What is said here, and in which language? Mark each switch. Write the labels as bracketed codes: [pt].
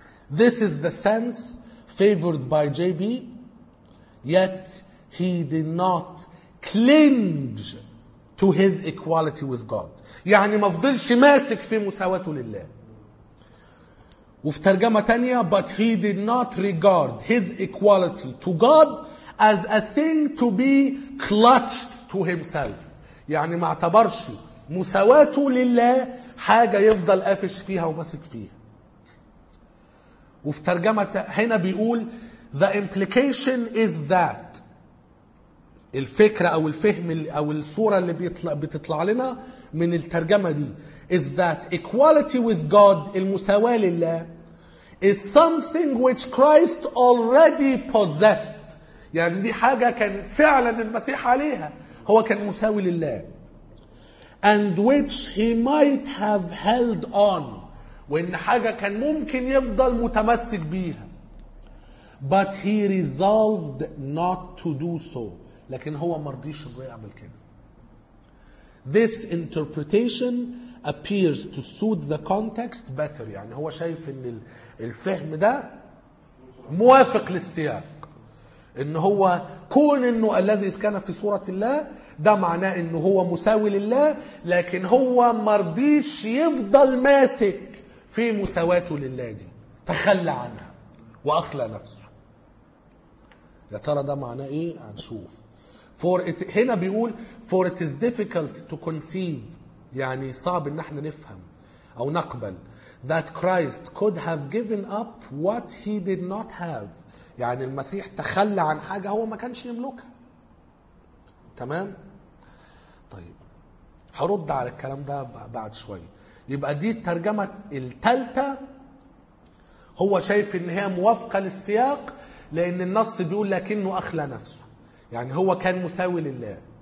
[en] This is the sense favored by JB, yet he did not cling to his equality with God. [ar] يعني ما فضلش ماسك في مساواته لله. وفي ترجمة تانية [en] but he did not regard his equality to God as a thing to be clutched to himself. [ar] يعني ما اعتبرش مساواته لله حاجة يفضل قافش فيها ومسك فيها. وفي ترجمة هنا بيقول [en] the implication is that، [ar] الفكرة أو الفهم أو الصورة اللي بتطلع لنا من الترجمة دي [en] is that equality with God [ar] المساواة لله [en] is something which Christ already possessed. [ar] يعني دي حاجة كان فعلا المسيح عليها، هو كان مساوي لله. [en] and which he might have held on, [ar] وإن حاجة كان ممكن يفضل متمسك بيها. [en] But he resolved not to do so. [ar] لكن هو مرضيش إنه يعمل كده. [en] This interpretation appears to suit the context better. [ar] يعني هو شايف إن الفهم ده موافق للسياق. إن هو كون إنه الذي كان في صورة الله ده معناه إنه هو مساوي لله، لكن هو مرضيش يفضل ماسك في مساواته لله دي، تخلى عنها وأخلى نفسه. يا ترى ده معناه ايه؟ هنشوف. [en] For it, [ar] هنا بيقول [en] for it is difficult to conceive، [ar] يعني صعب ان احنا نفهم او نقبل، [en] that Christ could have given up what he did not have، [ar] يعني المسيح تخلى عن حاجة هو ما كانش يملكها. تمام؟ طيب هرد على الكلام ده بعد شوية. يبقى دي الترجمة الثالثة، هو شايف ان هي موافقة للسياق لأن النص بيقول لكنه أخلى نفسه، يعني هو كان مساوي لله.